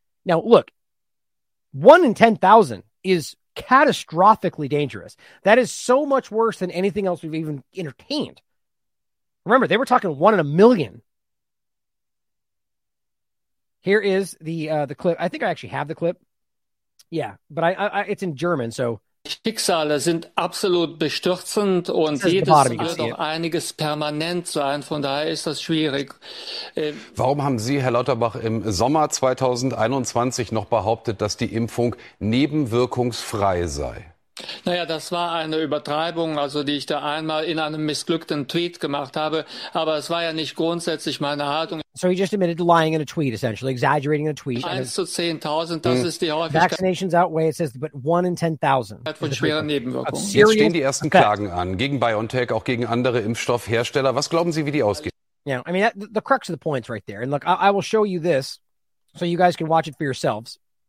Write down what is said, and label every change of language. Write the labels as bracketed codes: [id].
[en] Now, look, 1 in 10,000 is catastrophically dangerous. That is so much worse than anything else we've even entertained. Remember, they were talking 1 in a million. Here is the clip. I think I actually have the clip. Yeah, but it's in German, so... [de] Schicksale sind absolut bestürzend und jedes wird auch einiges permanent sein. Von daher ist das schwierig. Warum haben Sie, Herr Lauterbach, im Sommer 2021 noch behauptet, dass die Impfung nebenwirkungsfrei sei? Naja, das war eine Übertreibung, also die ich da einmal in einem missglückten Tweet gemacht habe. Aber es war ja nicht grundsätzlich meine Haltung. [en] So he just admitted lying in a tweet, essentially, exaggerating in a tweet. [de] 1 to 10,000, das ist die Häufigkeit. [en] Vaccinations outweigh, it says, but 1 in 10,000. [de] Von schweren Nebenwirkungen. Jetzt stehen die ersten Klagen an, gegen BioNTech, auch gegen andere Impfstoffhersteller. Was glauben Sie, wie die ausgehen? [en] Yeah, I mean, the crux of the point is right there. And look, I will show you this, so you guys can watch it for yourselves.